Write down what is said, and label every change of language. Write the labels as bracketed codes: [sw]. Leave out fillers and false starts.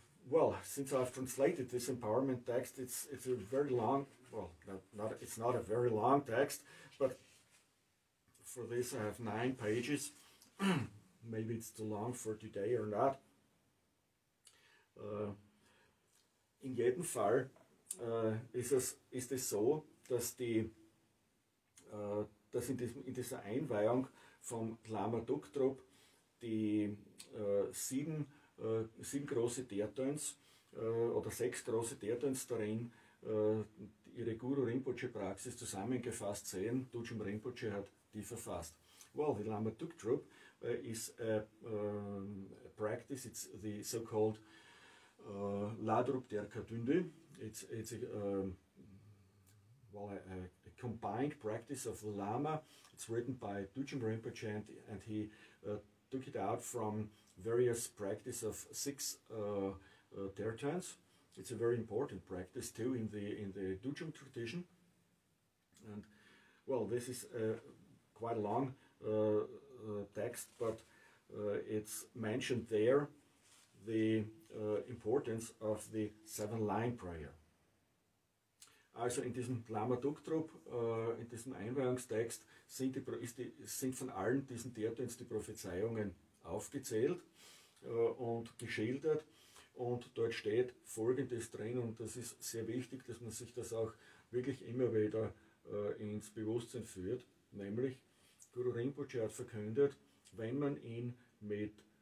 [en] Well, since I've translated this empowerment text, it's a very long, it's not a very long text, but for this I have 9 pages. Maybe it's too long for today or not. [de] In jedem Fall ist es so, dass in dieser Einweihung vom Lama Dukdrob die 7 große Tertöns oder 6 große Tertöns darin ihre Guru Rinpoche-Praxis zusammengefasst sehen. Dujum Rinpoche hat die verfasst. [en] Well, the Lama Dukdrob is a practice, it's the so-called Ladrup Derka Dündi. It's a combined practice of the Lama. It's written by Dujum Rinpoche, and he took it out from various practice of 6 tertöns. It's a very important practice too in the Dujum tradition. And well, this is quite a long text, but it's mentioned there the importance of the 7-line prayer. [de] Also in diesem Lama Dukdrob, in diesem Einweihungstext, sind von allen diesen Tertöns die Prophezeiungen aufgezählt und geschildert, und dort steht Folgendes drin, und das ist sehr wichtig, dass man sich das auch wirklich immer wieder ins Bewusstsein führt, nämlich Guru Rinpoche hat verkündet, wenn man ihn mit